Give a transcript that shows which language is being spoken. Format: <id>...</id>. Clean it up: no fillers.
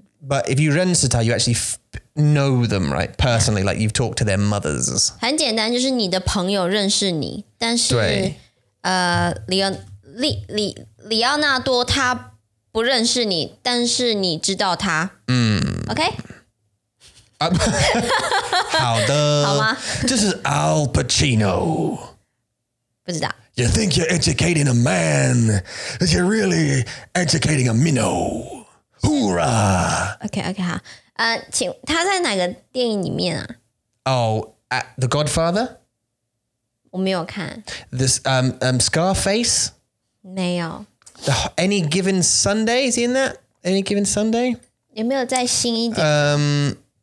<en>，but if you</en> <zh>认识他</zh> <en>，you actually know them right personally， like you've talked to their mothers。</en> <zh>很简单，就是你的朋友认识你，但是对。里奥纳多他不认识你，但是你知道他。</zh> <en>OK？</en> <zh>好的。好吗？这是 Al Pacino。不知道。</zh> <en>You think you're educating a man, but you're really educating a minnow. Hoorah!</en> <zh>OK, 好。请他在哪个电影里面啊？</zh> <en>Oh, The Godfather?</en> <zh>我没有看</zh> <en>this Scarface.</en> <zh>没有</zh> <en>Any Given Sunday. Is he in that? Any Given Sunday?</en> <zh>有没有再新一点</zh>